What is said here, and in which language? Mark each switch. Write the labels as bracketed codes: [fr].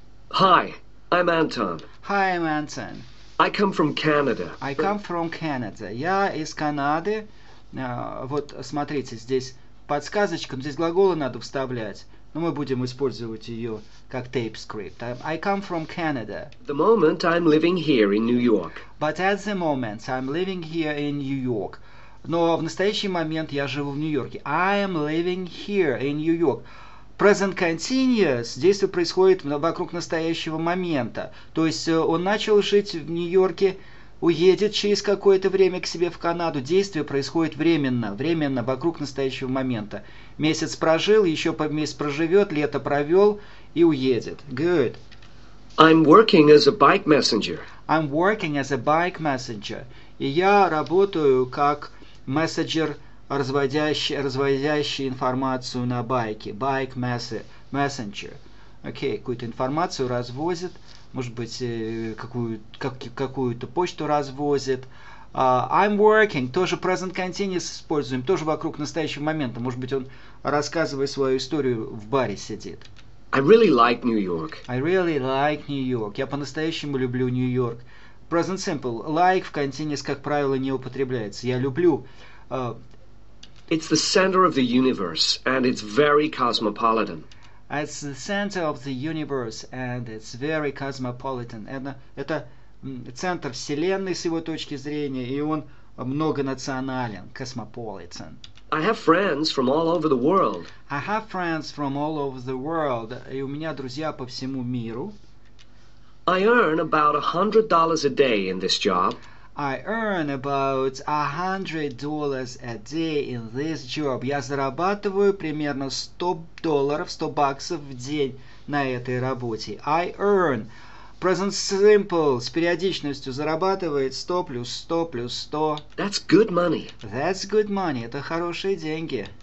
[en] Hi, I'm Anton. Hi, I'm Anton. I come from Canada. I come from Canada. [ru] Я из Канады. Вот смотрите, здесь подсказочка, здесь глаголы надо вставлять, но мы будем использовать ее как tape script. [en] I come from Canada. The moment I'm living here in New York. But at the moment I'm living here in New York. [ru] Но в настоящий момент я живу в Нью-Йорке. [en] I am living here in New York. Present continuous, [ru] действие происходит вокруг настоящего момента. То есть он начал жить в Нью-Йорке, уедет через какое-то время к себе в Канаду. Действие происходит временно, вокруг настоящего момента. Месяц прожил, еще месяц проживет, лето провел и уедет. [en] Good. I'm working as a bike messenger. I'm working as a bike messenger. [ru] И я работаю как мессенджер, разводящий информацию на байке. [en] Bike messenger. [ru] Окей, какую-то информацию разводит. Может быть, какую-то почту развозит. [en] I'm working. [ru] Тоже [en] present continuous [ru] используем. Тоже вокруг настоящего момента. Может быть, он, рассказывая свою историю, в баре сидит. [en] I really like New York. I really like New York. [ru] Я по-настоящему люблю Нью-Йорк. Present simple. Like в continuous, как правило, не употребляется. Я люблю. [en] It's the center of the universe, and it's very cosmopolitan. It's the center of the universe, and it's very cosmopolitan. [ru] Это центр вселенной с его точки зрения, и он многонационален, cosmopolitan. [en] I have friends from all over the world. I have friends from all over the world. [ru] И у меня друзья по всему миру. [en] I earn about $100 a day in this job. I earn about $100 a day in this job. [ru] Я зарабатываю примерно $100, $100 в день на этой работе. [en] I earn. Present simple. [ru] С периодичностью зарабатывает 100 плюс 100 плюс 100. [en] That's good money. That's good money. [ru] Это хорошие деньги.